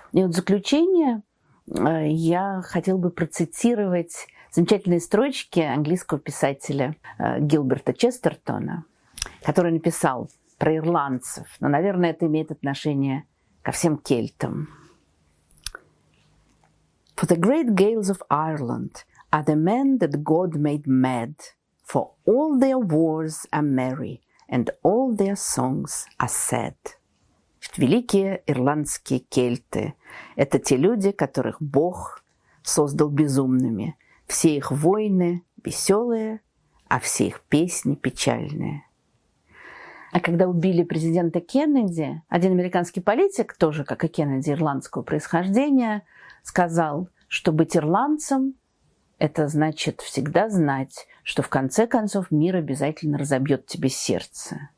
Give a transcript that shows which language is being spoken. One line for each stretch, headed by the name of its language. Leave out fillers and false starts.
Russian: И вот в заключение я хотела бы процитировать замечательные строчки английского писателя Гилберта Честертона, который написал про ирландцев, но, наверное, это имеет отношение ко всем кельтам.
English: «For the great gales of Ireland are the men that God made mad, for all their wars are merry, and all their songs are sad».
Russian: Великие ирландские кельты – это те люди, которых Бог создал безумными. Все их войны веселые, а все их песни печальные. А когда убили президента Кеннеди, один американский политик, тоже, как и Кеннеди, ирландского происхождения, сказал, что быть ирландцем – это значит всегда знать, что в конце концов мир обязательно разобьет тебе сердце.